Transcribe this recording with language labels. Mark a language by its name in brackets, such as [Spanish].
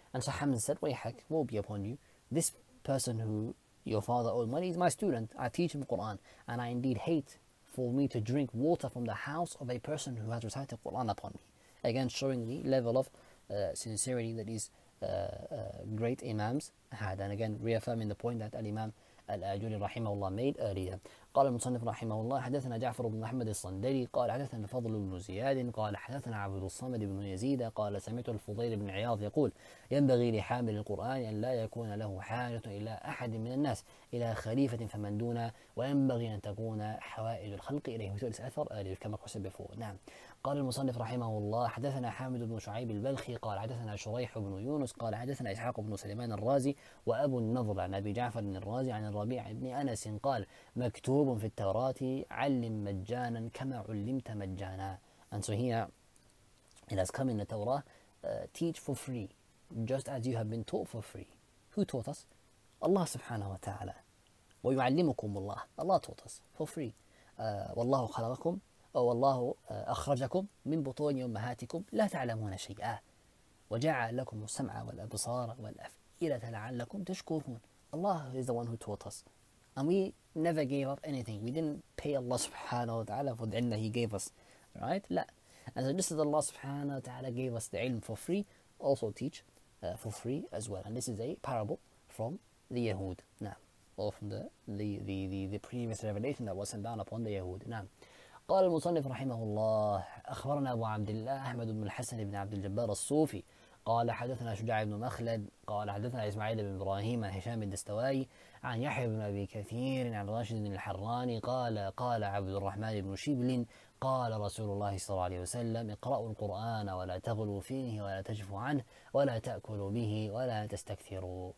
[English] And so Hamza said, "Wayhak, woe be upon you. This person who your father owed money is my student. I teach him Quran. And I indeed hate for me to drink water from the house of a person who has recited Quran upon me." Again, showing the level of sincerity that is great imams had, and again reaffirming the point that al-imam al-ajuri rahimahullah made earlier. [Arabic] قال المصنف رحمه الله: حدثنا جعفر بن أحمد الصندلي قال حدثنا فضل بن زياد قال حدثنا عبد الصمد بن يزيد قال سمعت الفضيل بن عياض يقول: ينبغي لحامل القرآن أن لا يكون له حاجة إلى أحد من الناس، إلى خليفة فمن دونه، وينبغي أن تكون حوائج الخلق إليه. وسؤال أثر كما حسب فوق. نعم. قال المصنف رحمه الله: حدثنا حامد بن شعيب البلخي قال حدثنا شريح بن يونس قال حدثنا إسحاق بن سليمان الرازي وأبو النضر عن أبي جعفر الرازي عن الربيع بن أنس قال: مكتوب في التوراة: علم مجانا كما علمت مجانا. [English] And so here it has come in the Torah: teach for free, just as you have been taught for free. Who taught us? Allah subhanahu wa ta'ala. [Arabic] ويعلمكم الله. [English] Allah taught us for free. [Arabic] والله خلقكم أو الله أخرجكم من بطون أمهاتكم لا تعلمون شيئا وجعل لكم السمع والأبصار والأفئدة لعلكم تشكرون. [English] Allah is the one who taught us. And we never gave up anything. We didn't pay Allah subhanahu wa ta'ala for the ilm that he gave us. Right? [Arabic] لا. [English] And so just as Allah subhanahu wa ta'ala gave us the ilm for free, also teach for free as well. And this is a parable from the Yahud. [Arabic] نعم. [English] Or from the previous revelation that was sent down upon the Yahud. [Arabic] نعم. قال المصنف رحمه الله: أخبرنا أبو عبد الله أحمد بن الحسن بن عبد الجبار الصوفي قال حدثنا شجاع بن مخلد قال حدثنا إسماعيل بن إبراهيم عن هشام الدستوائي عن يحيى بن أبي كثير عن راشد بن الحراني قال: قال عبد الرحمن بن شبل قال رسول الله صلى الله عليه وسلم: اقرأوا القرآن ولا تغلوا فيه ولا تجفوا عنه ولا تأكلوا به ولا تستكثروا.